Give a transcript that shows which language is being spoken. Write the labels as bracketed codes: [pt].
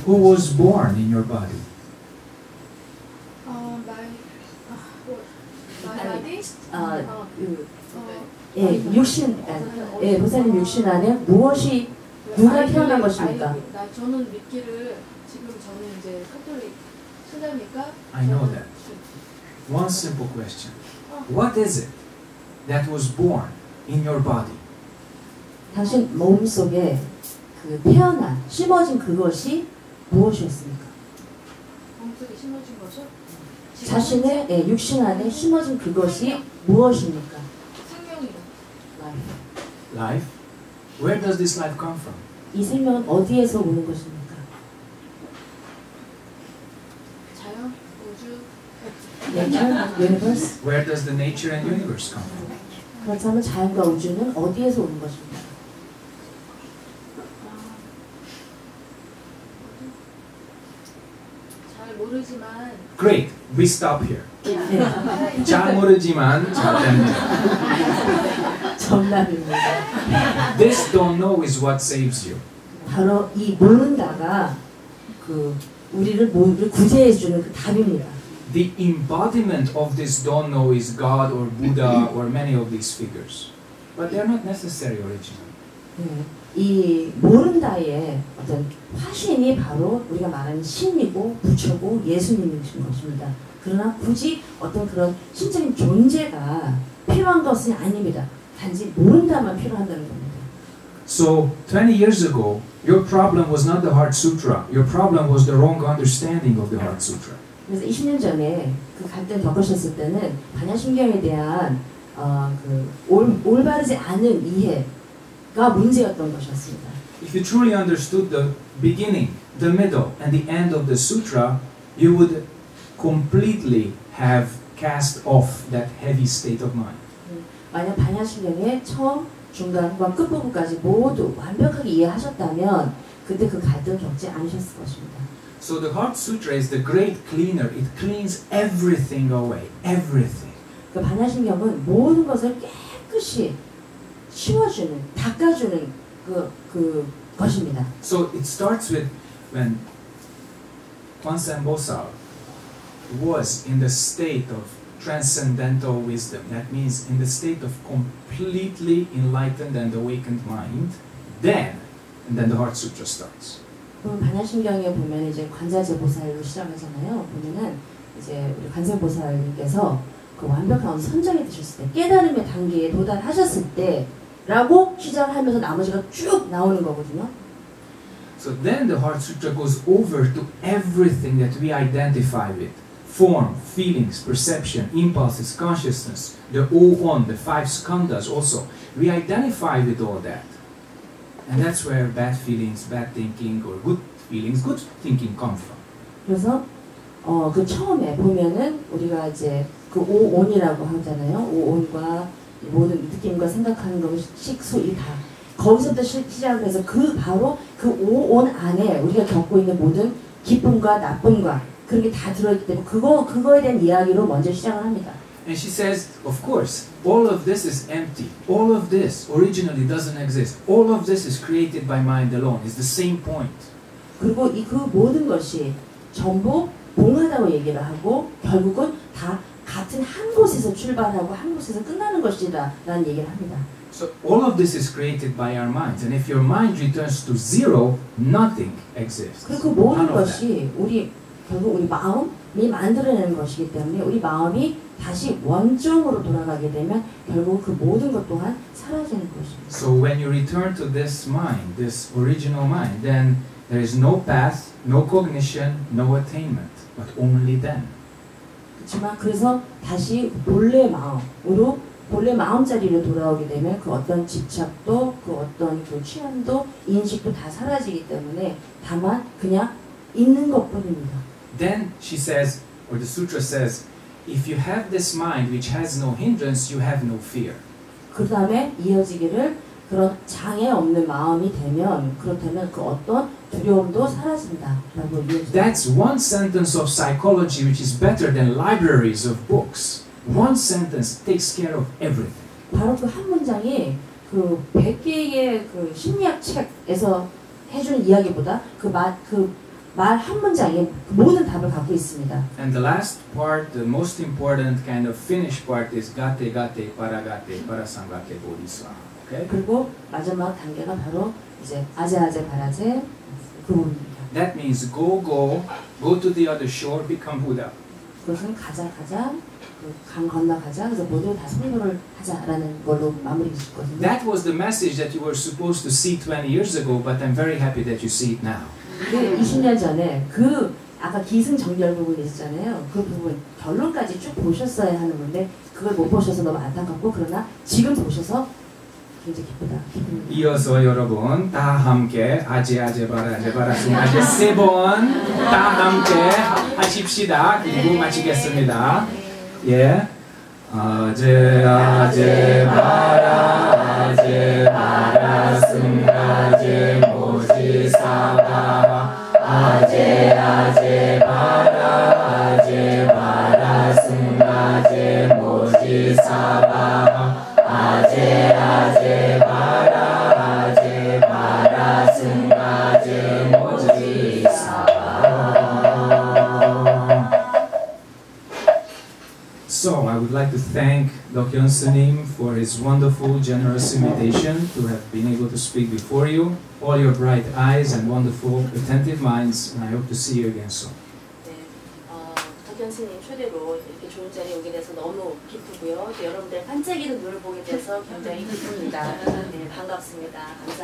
[en] Who was born in your body? I know that. One simple question. What is it that was born in your body? [ko] 당신 몸 속에 그 태어난 심어진 그것이 무엇이었습니까? 몸 속에 심어진 거죠? 자신의 예, 육신 안에 심어진 그것이 무엇입니까? 생명이요. [en] Life. Where does this life come from? [ko] 이 생명은 어디에서 오는 것입니까? 자연, 우주, [en] nature, universe. Where does the nature and universe come from? [ko] 그렇다면 자연과 우주는 어디에서 오는 것입니까? 모르지만 [en] Great. We stop here. [ko] 잘 모르지만 잘 됩니다. 정답입니다. [en] This don't know is what saves you. [ko] 바로 이 모른다가 그 우리를 모두 구제해 주는 그 답입니다. [en] The embodiment of this don't know is God or Buddha or many of these figures. But they are not necessary originally. [ko] 네. 이 모른다의 어떤 화신이 바로 우리가 말하는 신이고 부처고 예수님이신 것입니다. 그러나 굳이 어떤 그런 신적인 존재가 필요한 것은 아닙니다. 단지 모른다만 필요한다는 겁니다. [en] So 20 years ago, your problem was not the Heart Sutra. Your problem was the wrong understanding of the Heart Sutra. [ko] 그래서 20년 전에 그 갈등을 겪으셨을 때는 반야심경에 대한 올바르지 않은 이해 [en] If you truly understood the beginning, the middle, and the end of the sutra, you would completely have cast off that heavy state of mind. [ko] 만약 반야심경의 처음, 중간과 끝부분까지 모두 완벽하게 이해하셨다면, 그때 그 갈등 겪지 않으셨을 것입니다. [en] So the Heart Sutra is the great cleaner. It cleans everything away, everything. [ko] 그 반야심경은 모든 것을 깨끗이 치워주는, 닦아주는 그 것입니다. [en] So it starts with when Kwansan Bosa was in the state of transcendental wisdom. That means in the state of completely enlightened and awakened mind. Then the Heart Sutra starts. [ko] 반야심경에 보면 이제 관자재 보살로 시작하잖아요. 보면은 이제 우리 관자재 보살님께서 그 완벽한 선정이 되셨을 때, 깨달음의 단계에 도달하셨을 때. 라고 시작하면서 나머지가 쭉 나오는 거거든요. [en] So then the Heart Sutra goes over to everything that we identify with. Form, feelings, perception, impulses, consciousness, the O-on, the five skandhas also. We identify with all that. And that's where bad feelings, bad thinking, or good feelings, good thinking come from. [ko] 그래서 그 처음에 보면은 우리가 이제 그 O-on이라고 하잖아요. O-on과 모든 느낌과 생각하는 것이 식소이 다 거기서부터 시작해서 그 바로 그 오온 안에 우리가 겪고 있는 모든 기쁨과 나쁨과 그런 게 다 들어있기 때문에 그거에 대한 이야기로 먼저 시작을 합니다. [en] And she says, of course, all of this is empty. All of this originally doesn't exist. All of this is created by mind alone. It's the same point. [ko] 그리고 이 그 모든 것이 전부 봉하다고 얘기를 하고 결국은 다 같은 한 곳에서 출발하고 한 곳에서 끝나는 것이다라는 얘기를 합니다. [en] So all of this is created by our minds, and if your mind returns to zero, nothing exists. [ko] 그리고 모든 것이 우리 결국 우리 마음이 만들어낸 것이기 때문에 우리 마음이 다시 원점으로 돌아가게 되면 결국 그 모든 것 또한 사라지는 것입니다. [en] So when you return to this mind, this original mind, then there is no path, no cognition, no attainment, but only then. [ko] 그렇지만 그래서 다시 본래 마음으로 본래 마음 자리로 돌아오게 되면 그 어떤 집착도 그 어떤 그 취향도 인식도 다 사라지기 때문에 다만 그냥 있는 것뿐입니다. [en] Then she says, or the sutra says, if you have this mind which has no hindrance, you have no fear. [ko] 그 다음에 이어지기를 그런 장애 없는 마음이 되면 그렇다면 그 어떤 두려움도 사라진다. [en] That's one sentence of psychology which is better than libraries of books. one sentence takes care of everything. [ko] 바로 그 한 문장이 그 100개의 그 심리학 책에서 해준 이야기보다 그 말 그 말 한 문장이 그 모든 답을 갖고 있습니다. [en] And the last part, the most important kind of finish part is gate gate para gate para sangate bodhisattva. Okay? [ko] 그리고 마지막 단계가 바로 이제 아제 아제 바라제 그 부분입니다. [en] That means go go go to the other shore, become Buddha. [ko] 그것은 가자 가자 그 강 건너 가자 그래서 모두 다 성교를 하자라는 걸로 마무리 짓거든요. [en] That was the message that you were supposed to see 20 years ago, but I'm very happy that you see it now. [ko] 그 20년 전에 그 아까 기승전결 부분 있었잖아요. 그 부분 결론까지 쭉 보셨어야 하는 건데 그걸 못 보셔서 너무 안타깝고 그러나 지금 보셔서 굉장히 기쁘다. 이어서 여러분 다 함께 아제 아제 바라 아제 바라 숨 아제 세 번 다 함께 하십시다. 그리고 마치겠습니다. 예. 아제 아제 바라 아제 바라 숨 아제 모지사바 아제 아제 바라 아제 바라 숨 아제 모지사바 아제 아제 바라 아제 바라 숨 아제 모지사바. [en] So I would like to thank Dok Hyun Sunim for his wonderful, generous invitation to have been able to speak before you. All your bright eyes and wonderful, attentive minds, and I hope to see you again soon. [ko] 네, 덕 현 스님 초대로 이렇게 좋은 자리에 오게 돼서 너무 기쁘고요. 또 여러분들 반짝이는 눈을 보게 돼서 굉장히 기쁩니다. 네, 반갑습니다. 감사합니다.